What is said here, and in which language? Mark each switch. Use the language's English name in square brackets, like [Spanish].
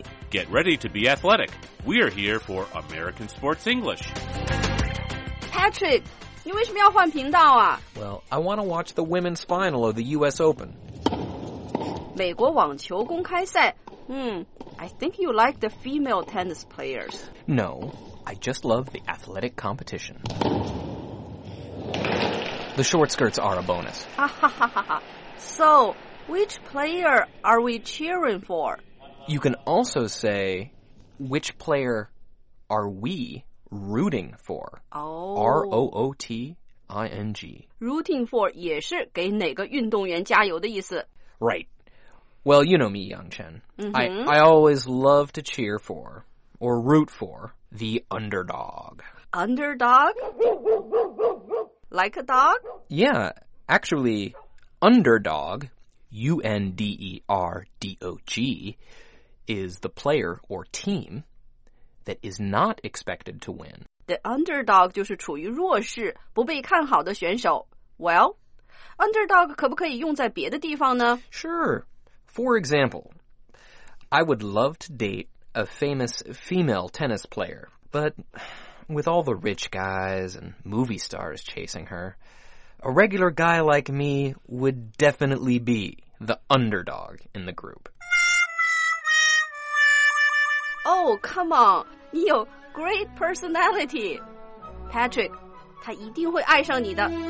[English] Get ready to be athletic. We are here for American Sports English. [Chinese] Patrick, 你为什么要换频道啊? [English] Well, I want to watch the women's final of the U.S. Open. [Chinese] 美国网球公开赛。 [English] I think you like the female tennis players. No, I just love the athletic competition. The short skirts are a bonus. So, which player are we cheering for? You can also say, which player are we rooting for? Oh. R-O-O-T-I-N-G. [Chinese] Rooting for 也是给哪个运动员加油的意思。 [English] Right. Well, you know me, Yang Chen. Mm-hmm. I always love to cheer for, or root for, the underdog. Underdog? Like a dog? Yeah, actually, underdog, U-N-D-E-R-D-O-G,is the player or team that is not expected to win. [Chinese] The underdog 就是处于弱势不被看好的选手。 Well, underdog 可不可以用在别的地方呢? [English] Sure. For example, I would love to date a famous female tennis player, but with all the rich guys and movie stars chasing her, a regular guy like me would definitely be the underdog in the group. Oh, come on, [Chinese] 你有 [English] great personality. [Chinese] Patrick, 他一定会爱上你的。